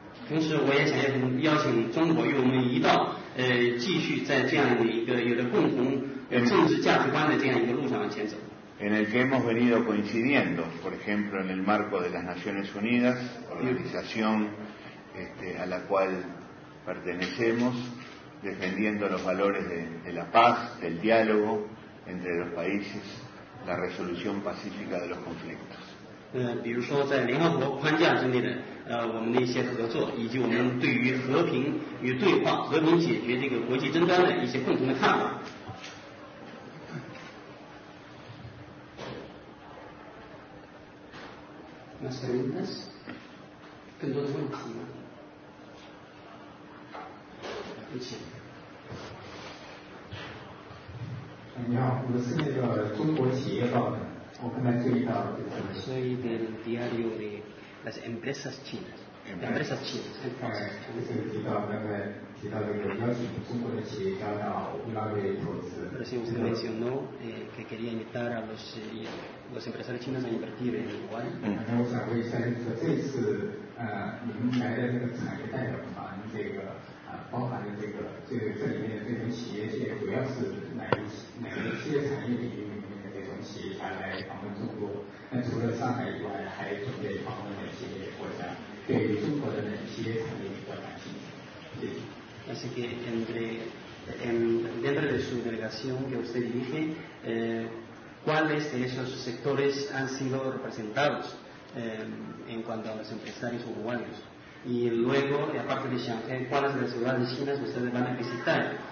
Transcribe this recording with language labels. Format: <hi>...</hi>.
<es>En el que hemos venido coincidiendo, por ejemplo, en el marco de las Naciones Unidas, organización a la cual pertenecemos, defendiendo los valores de la paz, del diálogo entre los países, la resolución pacífica de los conflictos.</es> <zh>比如说在联合国框架之内的我们的一些合作，以及我们对于和平与对话、和平解决这个国际争端的一些共同的看法。</zh> <es>Más preguntas, ¿qué otras cosas? Sí.</es> <zh>你好，我们是那个中国企业报的，我刚才注意到了。</zh> <es>Soy del diario de las empresas chinas. Empresas chinas.</es> <zh>刚才就是提到刚才提到这个邀请中国的企业家到乌拉圭投资。</zh> <es>Pero si usted mencionó que quería invitar a los empresarios chinos a invertir en Uruguay.</es> <zh>那我想问一下，就是这次你们来的这个产业代表团，这个包含的这里面的这种企业界，主要是哪一些产业领域里面的这种企业家来访问中国？那除了上海以外，还准备访问哪些国家？对于中国的哪些产业比较感兴趣？</zh> <es>Así que entre dentro de su delegación que usted dirige, ¿cuáles de esos sectores han sido representados en cuanto a los empresarios uruguayos? Y luego, aparte de Shanghai, ¿cuáles de las ciudades chinas ustedes van a visitar?</es>